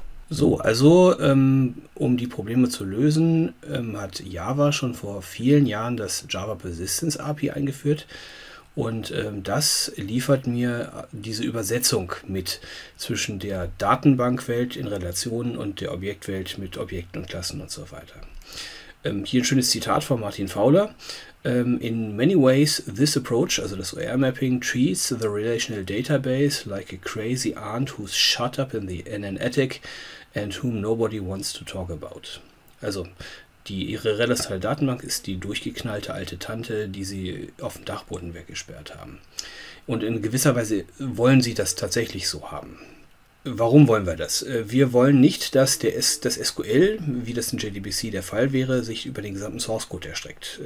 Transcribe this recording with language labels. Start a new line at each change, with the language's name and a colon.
German: So, also um die Probleme zu lösen, hat Java schon vor vielen Jahren das Java Persistence API eingeführt. Und das liefert mir diese Übersetzung mit zwischen der Datenbankwelt in Relationen und der Objektwelt mit Objekten und Klassen und so weiter. Hier ein schönes Zitat von Martin Fowler.
English: In many ways this approach,
German: also das OR-Mapping,
English: treats the relational database like a crazy aunt who's shut up in the in an attic and whom nobody wants to talk about.
German: Also ihre relationale Datenbank ist die durchgeknallte alte Tante, die sie auf dem Dachboden weggesperrt haben. Und in gewisser Weise wollen sie das tatsächlich so haben. Warum wollen wir das? Wir wollen nicht, dass das SQL, wie das in JDBC der Fall wäre, sich über den gesamten Source Code erstreckt.